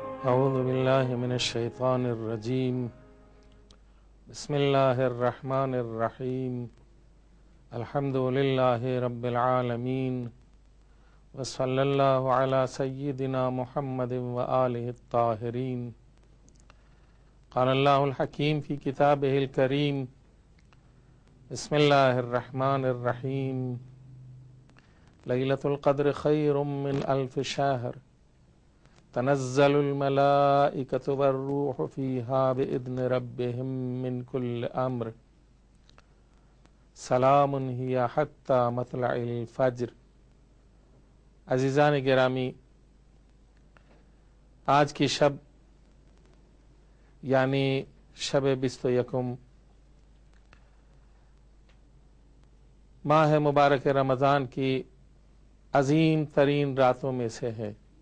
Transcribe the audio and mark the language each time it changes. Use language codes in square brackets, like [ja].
[ar] اعوذ باللہ من الشیطان الرجیم، بسم اللہ الرحمن الرحیم، الحمد للہ رب العالمین، وصلی اللہ علی سیدنا محمد وآلہ الطاہرین۔ قال اللہ الحکیم فی کتابہ الکریم، بسم اللہ الرحمن الرحیم، لیلۃ القدر خیر من الف شہر، تنزل الملائكة والروح فيها بإذن ربهم من كل أمر سلام هي حتى مطلع الفجر. [ur] عزیزان گرامی, آج کی شب یعنی شب 21 ماہ مبارک رمضان کی عظیم ترین راتوں میں سے ہے.